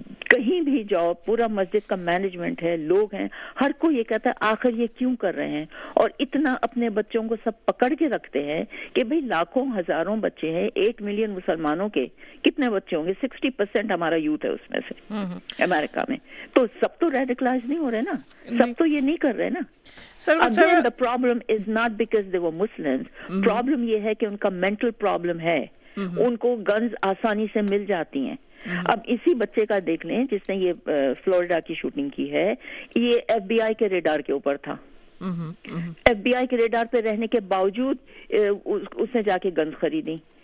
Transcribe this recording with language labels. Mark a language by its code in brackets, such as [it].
[ur] کہیں بھی جاؤ پورا مسجد کا مینجمنٹ ہے, لوگ ہیں, ہر کوئی یہ کہتا ہے آخر یہ کیوں کر رہے ہیں, اور اتنا اپنے بچوں کو سب پکڑ کے رکھتے ہیں کہ بھئی لاکھوں ہزاروں بچے ہیں, 8 million مسلمانوں کے کتنے بچے ہوں گے, 60% ہمارا یوتھ ہے اس میں سے امریکہ میں, تو سب تو ریڈیکلائز نہیں ہو رہے نا, سب تو یہ نہیں کر رہے نا. [en] Again, the problem is not because they were Muslims. [ur] Problem یہ ہے کہ ان کا mental problem ہے. ان کو گنز آسانی سے مل جاتی ہیں. اب اسی بچے کا دیکھ لیں جس نے یہ فلوریڈا کی شوٹنگ کی ہے, یہ ایف بی آئی کے ریڈار کے اوپر تھا. ایف بی آئی کے ریڈار پہ رہنے کے باوجود اس نے جا کے گنز خریدی.